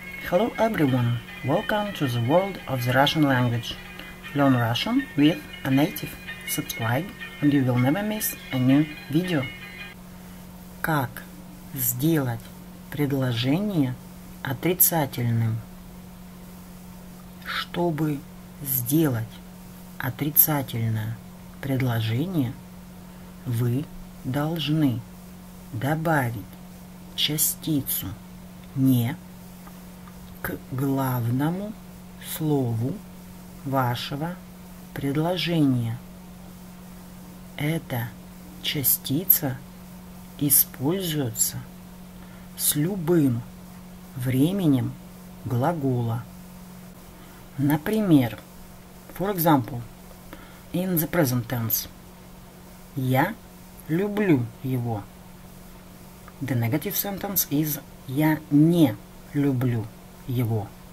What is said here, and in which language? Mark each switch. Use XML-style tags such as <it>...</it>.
<en>Hello everyone, welcome to the world of the Russian language. Learn Russian with a native. Subscribe and you will never miss a new video.</en> <ru>Как сделать предложение отрицательным? Чтобы сделать отрицательное предложение, вы должны добавить частицу «не» к главному слову вашего предложения. Эта частица используется с любым временем глагола. Например,</ru> <en>for example, in the present tense.</en> <ru>Я люблю его.</ru> <en>The negative sentence is</en> <ru>я не люблю его.</ru>